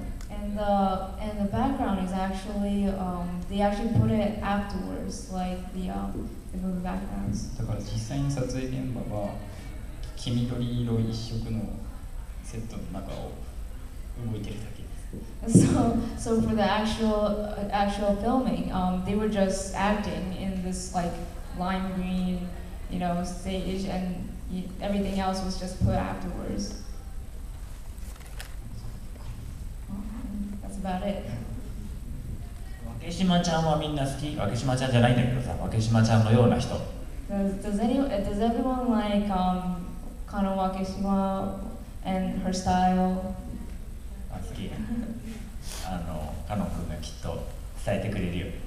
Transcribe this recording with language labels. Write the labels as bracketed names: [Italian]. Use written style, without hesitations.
[English] And the background is actually they actually put it afterwards, like the movie backgrounds. [Japanese] だから実際に撮影現場は黄緑色一色のセットの中を動いてるだけです。 [English] So for the actual filming, they were just acting in this like lime green, you know, stage, and everything else was just put afterwards. That's about it. [Japanese] わけしまちゃんはみんな好き。わけしまちゃんじゃないんだけどさ、わけしまちゃんのような人。 [English] Does everyone like Kano Wakeshima and her style? [Japanese] 好き。あの、カノン君がきっと伝えてくれるよ。